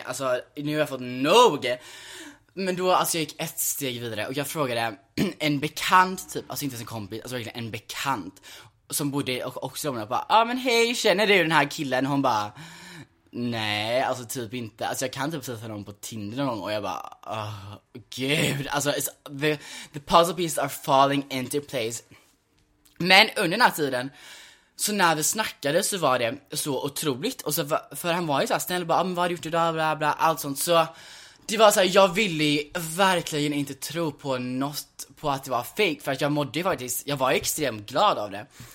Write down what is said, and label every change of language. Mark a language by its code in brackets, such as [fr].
[sv] Alltså nu har jag fått nog. Men då, alltså jag gick ett steg vidare och jag frågade en bekant typ, alltså inte ens en kompis, alltså verkligen en bekant som bodde och också och bara, ah, men hej, känner du den här killen? Hon bara, nej, alltså typ inte. Alltså jag kan typ sätta någon på Tinder någon gång. Och jag bara, gud. Alltså [en] the puzzle pieces are falling into place. [sv] Men under den här tiden, så när vi snackade så var det så otroligt. Och så för han var ju så här snäll, bara, men vad har du gjort idag, bla bla, allt sånt. Så det var så här, jag ville ju verkligen inte tro på något, på att det var fake, för att jag mådde faktiskt, jag var extremt glad av det.